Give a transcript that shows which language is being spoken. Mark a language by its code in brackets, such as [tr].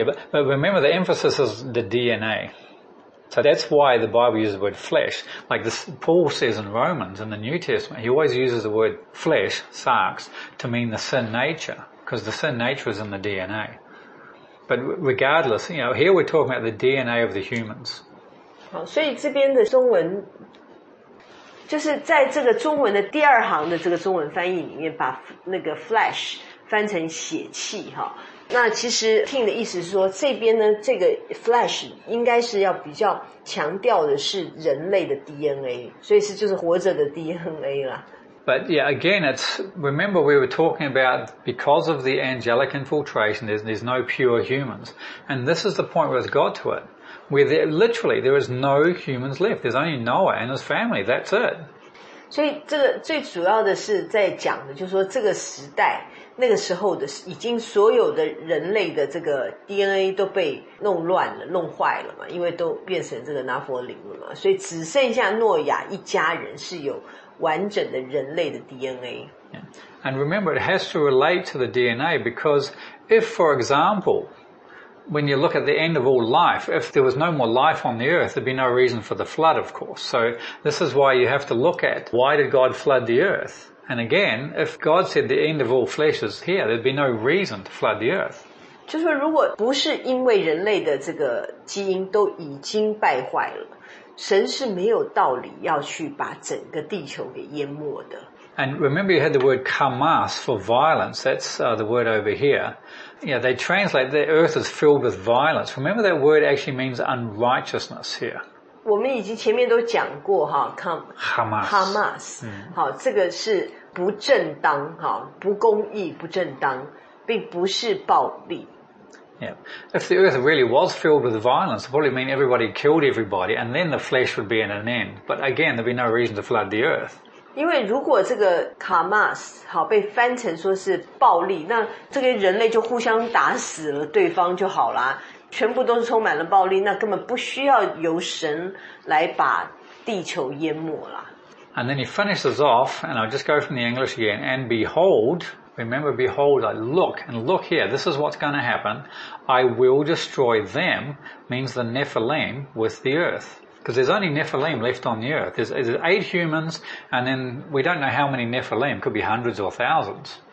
[en] But remember the emphasis is the DNA. So that's why the Bible uses the word flesh. Like this, Paul says in Romans in the New Testament, he always uses the word flesh, sarx, to mean the sin nature, because the sin nature is in the DNA. But regardless, you know, here we're talking about the DNA of the humans. [zh] 好，所以这边的中文，就是在这个中文的第二行的这个中文翻译里面，把那个 flesh 翻成血气，哈。那其实 Tim 的意思是说，这边呢，这个 flesh 应该是要比较强调的是人类的 DNA， 所以是就是活着的 DNA 啦。 [en] But yeah, again, it's, remember we were talking about because of the angelic infiltration, there's no pure humans. And this is the point where it's got to it. Where there, literally, there is no humans left. There's only Noah and his family. That's it. [zh] 所以这个最主要的是在讲的，就是说这个时代，那个时候的已经所有的人类的这个 DNA 都被弄乱了，弄坏了嘛，因为都变成这个拿弗林了嘛。所以只剩下诺亚一家人是有完整的人类的 DNA。 [en] Yeah. And remember, it has to relate to the DNA because if, for example, when you look at the end of all life, if there was no more life on the earth, there'd be no reason for the flood, of course. So this is why you have to look at why did God flood the earth? And again, if God said the end of all flesh is here, there'd be no reason to flood the earth. [zh] 就是如果不是因为人类的这个基因都已经败坏了，神是没有道理要去把整个地球给淹没的。 [en] And remember you had the word kamas for violence. That's the word over here. Yeah, they translate the earth is filled with violence. Remember that word actually means unrighteousness here. [zh] 我们已经前面都讲过哈 [en] Hamas. [zh] Hamas.、嗯、好，这个是不正当哈，不公义，不正当，并不是暴力。 [en] Yeah. If the earth really was filled with violence, it would probably mean everybody killed everybody, and then the flesh would be at an end. But again, there'd be no reason to flood the earth. [zh] 因为如果这个 kamas 好被翻成说是暴力，那这个人类就互相打死了对方就好啦，全部都是充满了暴力，那根本不需要由神来把地球淹没啦。 [en] And then he finishes off, and I'll just go from the English again, and behold... Remember, behold, I look, and look here, this is what's going to happen. I will destroy them, means the Nephilim, with the earth. Because there's only Nephilim left on the earth. There's 8 humans, and then we don't know how many Nephilim, could be hundreds or thousands.